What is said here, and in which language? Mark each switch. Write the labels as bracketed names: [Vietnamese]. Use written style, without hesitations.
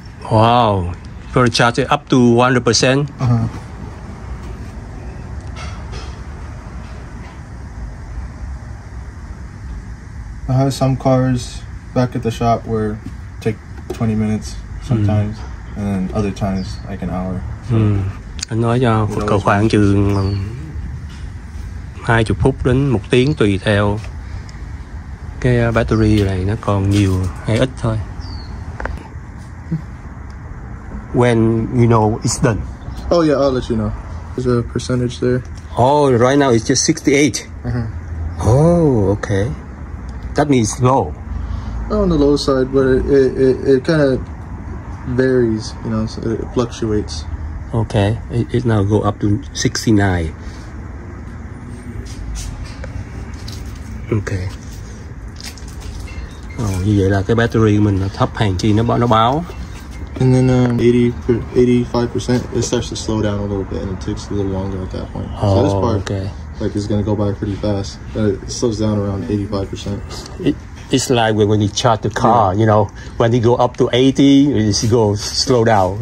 [English] Wow, for charge up to 100%. Uh-huh. I have some cars back at the shop where it take 20 minutes sometimes, and then other times like an hour. [Vietnamese] So anh nói cho phụ cầu khoảng chừng 20 phút đến 1 tiếng tùy theo cái battery này nó còn nhiều hay ít thôi. [English] When you know it's done. Oh yeah, I'll let you know. There's a percentage there. Oh, right now it's just 68. Uh-huh. Oh, okay. That means low. Not on the low side, but it kind of varies, you know, so it fluctuates. Okay, it now go up to 69. Okay. [Vietnamese] Ồ, như vậy là cái battery của mình nó thấp hàng chi nó báo. [English] And then 85% it starts to slow down a little bit and it takes a little longer at that point. Oh, so this part, okay. Like it's gonna go by pretty fast, but it slows down around 85%. It's like when you charge the car, yeah. You know, when you go up to 80, it just goes slow down.